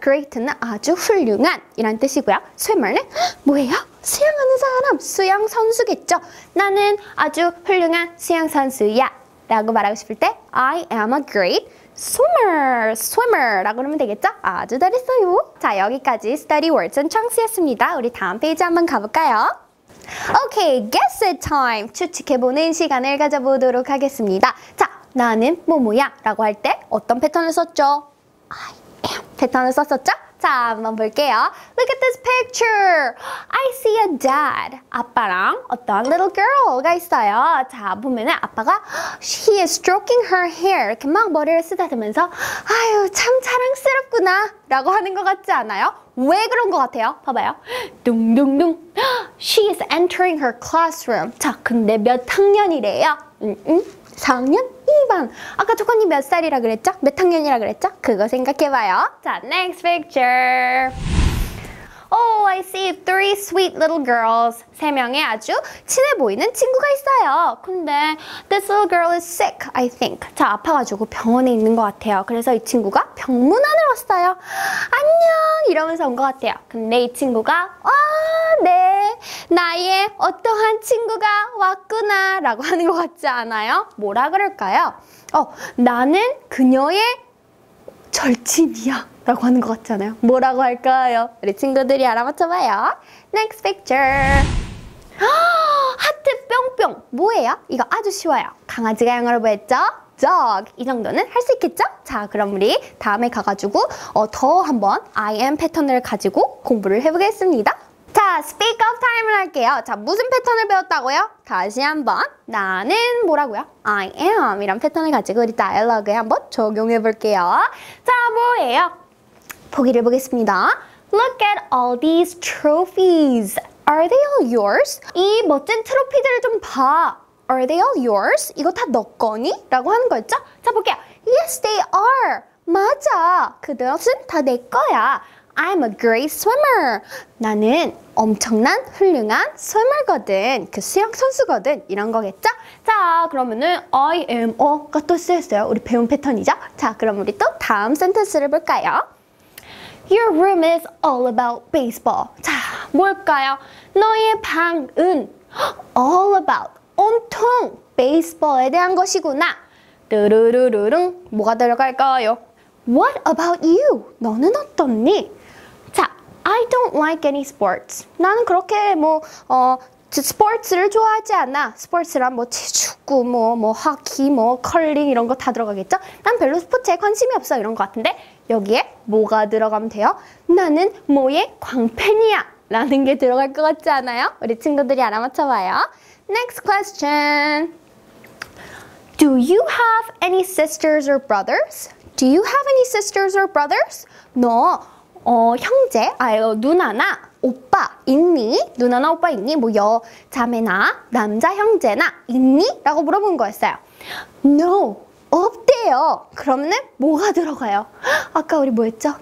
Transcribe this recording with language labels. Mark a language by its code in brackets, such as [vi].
[ko] Great는 아주 훌륭한 이란 뜻이고요. Swimmer는 뭐예요? 수영하는 사람, 수영 선수겠죠. 나는 아주 훌륭한 수영 선수야 라고 말하고 싶을 때 [en] I am a great swimmer [ko] 라고 하면 되겠죠? 아주 잘했어요. 자, 여기까지 [en] study words and chunks [ko] 였습니다. 우리 다음 페이지 한번 가볼까요? [en] Okay, guess it time. [ko] 추측해보는 시간을 가져보도록 하겠습니다. 자, 나는 뭐뭐야 라고 할 때 어떤 패턴을 썼죠? I am 패턴을 썼었죠? 자, 한번 볼게요. [en] Look at this picture. I see a dad. [ko] 아빠랑 어떤 little girl가 있어요. 자, 보면은 아빠가 [en] she is stroking her hair. [ko] 이렇게 막 머리를 쓰다듬으면서 아유, 참 자랑스럽구나 라고 하는 것 같지 않아요? 왜 그런 것 같아요? 봐봐요. 둥둥둥. [en] She is entering her classroom. [ko] 자, 근데 몇 학년이래요? 4학년? 2반. 아까 초코언니 몇 살이라 그랬죠? 몇 학년이라 그랬죠? 그거 생각해봐요. 자, [en] next picture. Oh, I see three sweet little girls. [ko] 세 명의 아주 친해 보이는 친구가 있어요. 근데 [en] this little girl is sick, I think. [ko] 자, 아파가지고 병원에 있는 것 같아요. 그래서 이 친구가 병문안을 왔어요. 안녕! 이러면서 온 것 같아요. 근데 이 친구가 와, 네, 나의 어떠한 친구가 왔구나 라고 하는 것 같지 않아요? 뭐라 그럴까요? 나는 그녀의 절친이야 라고 하는 것 같지 않아요? 뭐라고 할까요? 우리 친구들이 알아맞혀봐요. [en] Next picture. [ko] 하트 뿅뿅. 뭐예요? 이거 아주 쉬워요. 강아지가 영어로 뭐였죠? Dog. 이 정도는 할 수 있겠죠? 자, 그럼 우리 다음에 가가지고 더 한번 I am 패턴을 가지고 공부를 해보겠습니다. 자, [en] speak of time [ko] 을 할게요. 자, 무슨 패턴을 배웠다고요? 다시 한번 나는 뭐라고요? I am 이런 패턴을 가지고 우리 다이얼로그에 한번 적용해 볼게요. 자, 뭐예요? 보기를 보겠습니다. [en] Look at all these trophies. Are they all yours? [ko] 이 멋진 트로피들을 좀 봐. [en] Are they all yours? [ko] 이거 다 너 거니? 라고 하는 거였죠? 자, 볼게요. [en] Yes, they are. [ko] 맞아. 그것은 다 내 거야. [en] I'm a great swimmer. [ko] 나는 엄청난 훌륭한 swimmer거든. 그 수영 선수거든. 이런 거겠죠? 자, 그러면은 I am a가 또 쓰였어요. 우리 배운 패턴이죠? 자, 그럼 우리 또 다음 센텐스를 볼까요? [en] Your room is all about baseball. [ko] 자, 뭘까요? 너의 방은 all about, 온통 baseball에 대한 것이구나. 뚜루루루룽, 뭐가 들어갈까요? [en] What about you? [ko] 너는 어떻니? 자, [en] I don't like any sports. [ko] 나는 그렇게 스포츠를 좋아하지 않아. 스포츠란 뭐 축구, 하키, 컬링 이런 거 다 들어가겠죠? 난 별로 스포츠에 관심이 없어 이런 것 같은데 여기에 뭐가 들어가면 돼요? 나는 뭐의 광팬이야 라는 게 들어갈 것 같지 않아요? 우리 친구들이 알아맞혀봐요. [en] Next question. Do you have any sisters or brothers? Do you have any sisters or brothers? [ko] 너 형제, 누나나 오빠 있니? 누나나 오빠 있니? 뭐 여자매나 남자 형제나 있니? 라고 물어본 거였어요. No, 없대요. 그러면은 뭐가 들어가요? 아까 우리 뭐였죠?